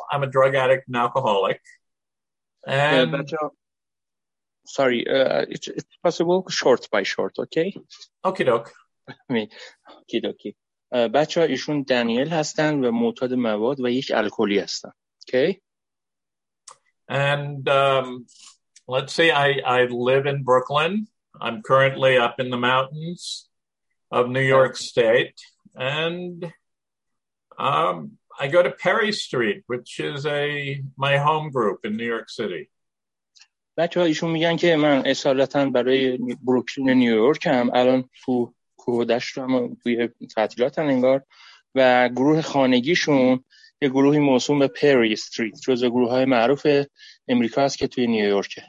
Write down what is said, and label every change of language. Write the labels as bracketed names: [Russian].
[English] I'm a drug addict and alcoholic. And sorry, it's possible short by short, okay? Okie doke. کیدوکی. [Persian] بچه ها ایشون دانیل هستن و معتاد مواد و یک الکلی هستن. [English] Okay. And let's say I live in Brooklyn. I'm currently up in the mountains of New York State. And I go to Perry Street, which is my home group in New York City. [Persian] بچه ها ایشون میگن که من اصالتاً برای بروکلین نیویورک هم الان تو کودشت هم توی تعطیلات انگار و گروه خانگیشون یه گروهی موسوم به پری استریت جز گروه های معروف امریکا هست که توی نیویورکه.